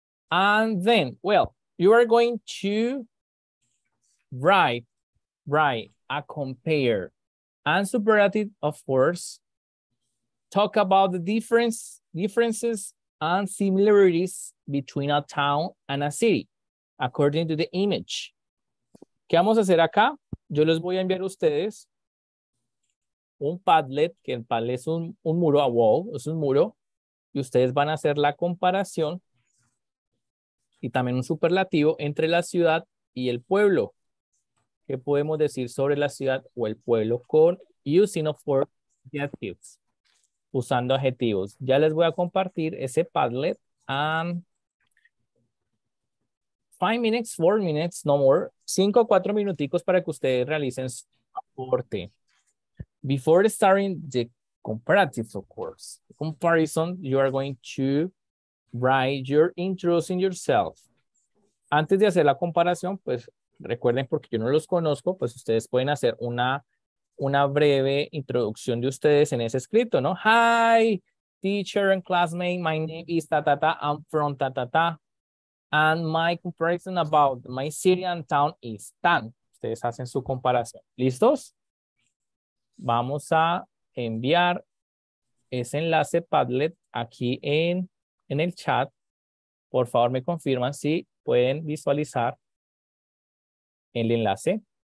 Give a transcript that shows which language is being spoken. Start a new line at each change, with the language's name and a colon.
English: And then, well, you are going to write a compare and superlative, of course. Talk about the differences and similarities between a town and a city, according to the image.
Spanish: ¿Qué vamos a hacer acá? Yo les voy a enviar a ustedes un Padlet, que el Padlet es un muro,
English: a wall,
Spanish: es un muro, y ustedes van a hacer la comparación y también un superlativo entre la ciudad y el pueblo. ¿Qué podemos decir sobre la ciudad o el pueblo con
English: using of four adjectives?
Spanish: Usando adjetivos. Ya les voy a compartir ese Padlet.
English: And 5 minutes, 4 minutes, no more.
Spanish: 5 o 4 minuticos para que ustedes realicen su aporte.
English: Before starting the comparatives, of course. Comparison, you are going to write, you're introducing yourself.
Spanish: Antes de hacer la comparación, pues recuerden, porque yo no los conozco, pues ustedes pueden hacer una breve introducción de ustedes en ese escrito, ¿no?
English: Hi, teacher and classmate, my name is Tatata, I'm from Tatata, and my comparison about my city and town is Tan.
Spanish: Ustedes hacen su comparación. ¿Listos? Vamos a enviar ese enlace Padlet aquí en el chat. Por favor, me confirman si pueden visualizar el enlace.